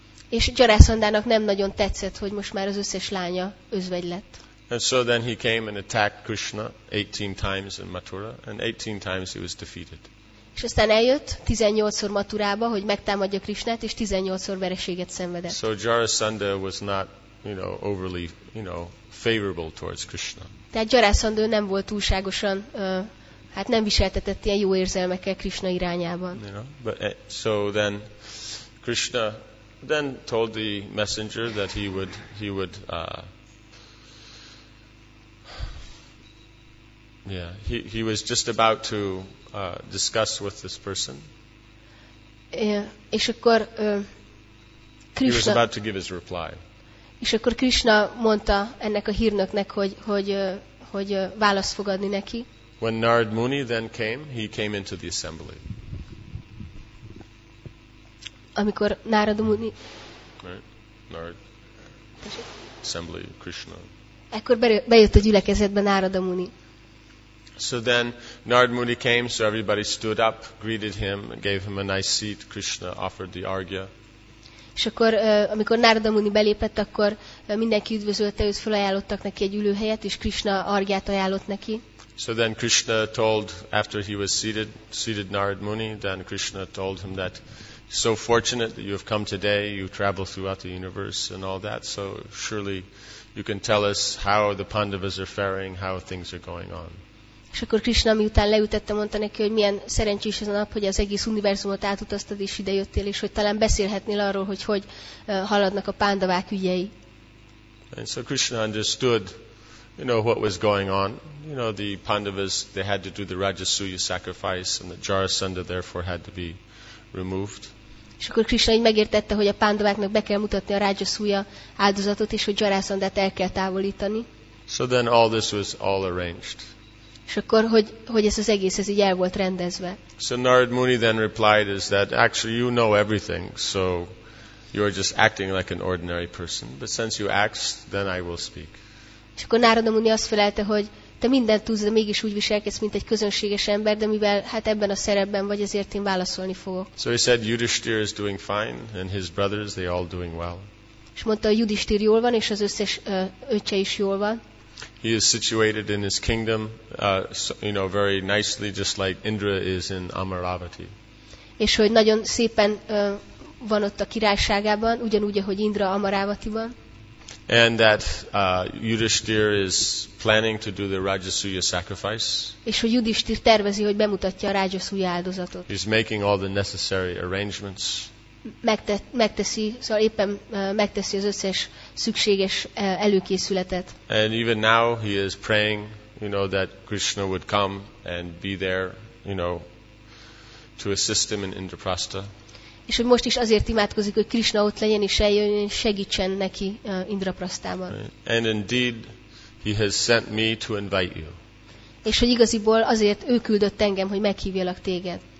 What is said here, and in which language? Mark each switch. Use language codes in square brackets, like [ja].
[hu] És Jarasandának nem nagyon tetszett, hogy most már az összes lánya özvegy lett. [en] And so then he came and attacked Krishna 18 times in Mathura, and 18 times he was defeated. [hu] És aztán eljött 18-szor Maturába, hogy megtámadja Krishnát, és 18-szor vereséget szenvedett. [en] So Jarasandha was not, overly, favorable towards Krishna. [hu] Tehát Jarasandha nem volt túlságosan, hát nem viseltetett ilyen jó érzelmekkel Krishna irányában. [en] So then Krishna told the messenger that he was just about to discuss with this person. [hu] És akkor Krishna, [en] he was about to give his reply. [hu] És akkor Krishna mondta ennek a hírnöknek, hogy választ fogadni neki. [en] When Narad Muni then came, he came into the assembly. [hu] Amikor Narad Muni, [en] assembly Krishna. [hu] Ekkor bejött a gyülekezetbe Narad Muni. [en] So then Narad Muni came, so everybody stood up, greeted him, gave him a nice seat. Krishna offered the argya. [hu] És akkor, amikor Narad Muni belépett, akkor mindenki üdvözölte őt, felajánlottak neki egy ülőhelyet, és Krishna argyát ajánlott neki. [en] So then Krishna told, after he was seated Narad Muni, then Krishna told him that so fortunate that you have come today, you travel throughout the universe and all that, so surely you can tell us how the Pandavas are faring, how things are going on. [hu] És akkor Krishna, miután leütette, mondta neki, hogy milyen szerencsés ez a nap, hogy az egész univerzumot átutaztad és idejöttél, és hogy talán beszélhetnél arról, hogy haladnak a Pandavák ügyei. [en] And so Krishna understood, what was going on. The Pandavas, they had to do the Rajasuya sacrifice, and the Jarasandha therefore had to be removed. [hu] És akkor Krishna így megértette, hogy a Pandaváknak be kell mutatni a Rajasuya áldozatot, és hogy Jarasandhát el kell távolítani. [en] So then all this was all arranged. [hu] És akkor hogy ez az egész ez így el volt rendezve. [en] So Narad Muni then replied is that actually you know everything, so you are just acting like an ordinary person, but since you asked, then I will speak. [hu] És akkor Narad Muni azt felelte, hogy te mindent tudsz, de mégis úgy viselkedsz, mint egy közönséges ember, de mivel hát ebben a szerepben vagy, ezért én válaszolni fogok. [en] So he said Yudhishthir is doing fine and his brothers, they all doing well. [hu] És mondta, hogy Yudhishthir jól van, és az összes öccse is jól van. [en] He is situated in his kingdom, very nicely, just like Indra is in Amaravati. [hu] És hogy nagyon szépen van ott a királyságában, ugyanúgy, ahogy Indra Amaravatiban. [en] And that Yudhishthir is planning to do the Rajasuya sacrifice. [hu] És hogy Yudhishthir tervezi, hogy bemutatja a Rajasuya áldozatot. [en] He's making all the necessary arrangements. [hu] Megteszi, szóval éppen megteszi az összes szükséges előkészületet. [en] And even now he is praying, that Krishna would come and be there, to assist him in Indraprastha. [hu] És hogy most is azért imádkozik, hogy Krishna ott legyen és eljöjjön és segítsen neki Indraprasthában. [en] And indeed he has sent me to invite you. [hu] És hogy igaziból azért ő küldött engem, hogy meghívjalak téged.